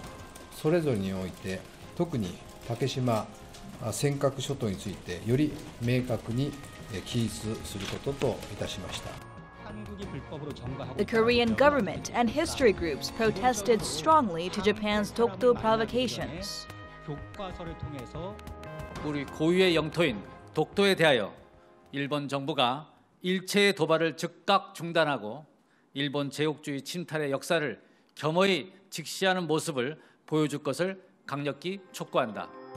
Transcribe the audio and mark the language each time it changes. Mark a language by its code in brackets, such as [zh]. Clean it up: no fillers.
[ja] 学習指導要領解説のそれぞれにおいて特に竹島 [en] The Korean government and history groups protested strongly to Japan's Tokdo provocations. [ko] 교과서를 통해서 우리 고유의 영토인 독도에 대하여 일본 정부가 일체의 도발을 즉각 중단하고 일본 제국주의 침탈의 역사를 겸허히 직시하는 모습을 보여줄 것을 강력히 촉구한다.